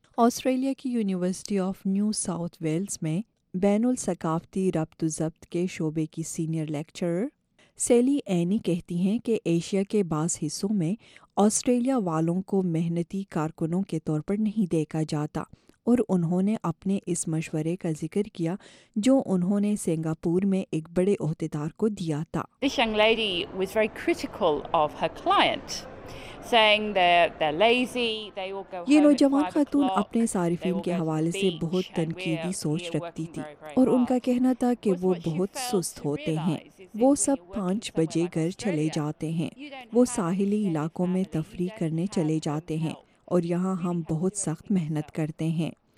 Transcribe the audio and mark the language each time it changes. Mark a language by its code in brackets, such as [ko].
[ur] Australia کی university of new south Wales میں بین الثقافتی ربط و ضبط کے شعبے کی سینئر لیکچرر سیلی اینی کہتی ہیں کہ ایشیا کے بعض حصوں میں آسٹریلیا والوں کو محنتی کارکنوں کے طور پر نہیں دیکھا جاتا, اور انہوں نے اپنے اس مشورے کا ذکر کیا جو انہوں نے سنگاپور میں ایک بڑے عہدیدار کو دیا تھا. [en] This young lady was very critical of her client, saying they're lazy, they will go. [ur] یہ نوجوان خاتون اپنے صارفین کے حوالے سے بہت تنقیدی سوچ رکھتی تھی اور ان کا کہنا تھا کہ وہ بہت سست ہوتے ہیں, وہ سب 5 بجے گھر چلے جاتے ہیں, وہ ساحلی علاقوں میں تفریح کرنے چلے جاتے ہیں اور یہاں ہم بہت سخت محنت کرتے ہیں.